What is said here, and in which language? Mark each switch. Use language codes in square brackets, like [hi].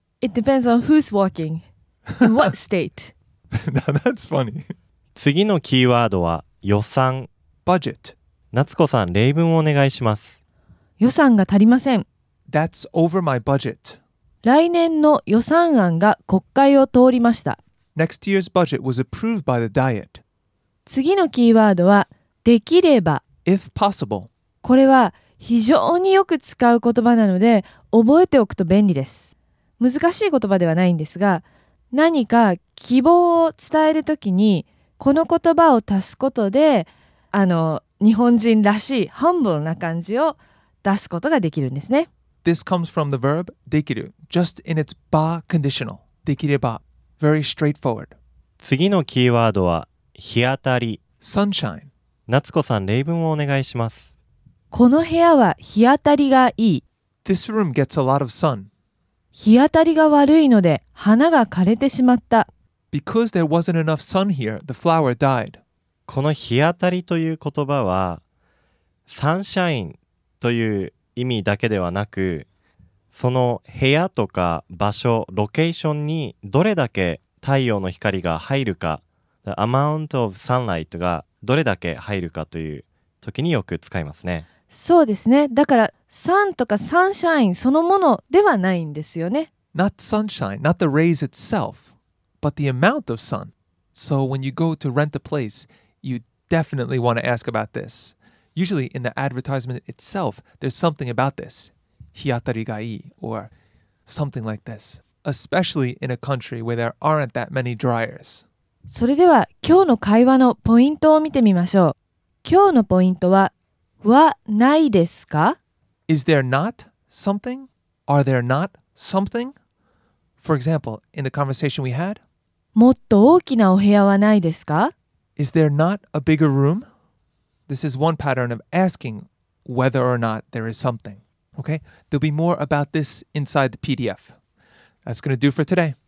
[en] It depends on who's walking. What state? That's funny. [ja] 次のキーワードは予算。 [en] Budget. [ja] 夏子さん、例文をお願いします。予算が足りません。 [en] That's over my budget. [ja] 来年の予算案が国会を通りました。 [en] Next year's budget was approved by the Diet. [ja] 次のキーワードは、できれば。 [en] If possible. [ja] これは非常によく使う言葉なので、覚えておくと便利です。難しい言葉ではないんですが、何か希望を伝えるときに、この言葉を足すことで、日本人らしい humble な感じを出すことができるんですね。 [en] This comes from the verb できる, just in its ba conditional. できれば, very straightforward. [ja] 次のキーワードは日当たり。 [en] Sunshine. [ja] 夏子さん、例文をお願いします。この部屋は日当たりがいい。 [en] This room gets a lot of sun. [ja] 日当たりが悪いので花が枯れてしまった。 [en] Because there wasn't enough sun here, the flower died. [ja] この日当たりという言葉は、サンシャインという意味だけではなく、その部屋とか場所、ロケーションにどれだけ太陽の光が入るか、 [en] the amount of sunlight [ja] がどれだけ入るかという時によく使いますね。そうですね。だから、サンとかサンシャインそのものではないんですよね。 [en] Not sunshine, not the rays itself. But the amount of sun. So when you go to rent a place, you definitely want to ask about this. Usually in the advertisement itself, there's something about this. [ja] 日当たりがいい, [en] or something like this. Especially in a country where there aren't that many dryers. [ja] それでは今日の会話のポイントを見てみましょう。今日のポイントは、はないですか? [en] Is there not something? Are there not something? For example, in the conversation we had, [ja] もっと大きなお部屋はないですか? [en] Is there not a bigger room? This is one pattern of asking whether or not there is something. Okay? There'll be more about this inside the PDF. That's going to do for today.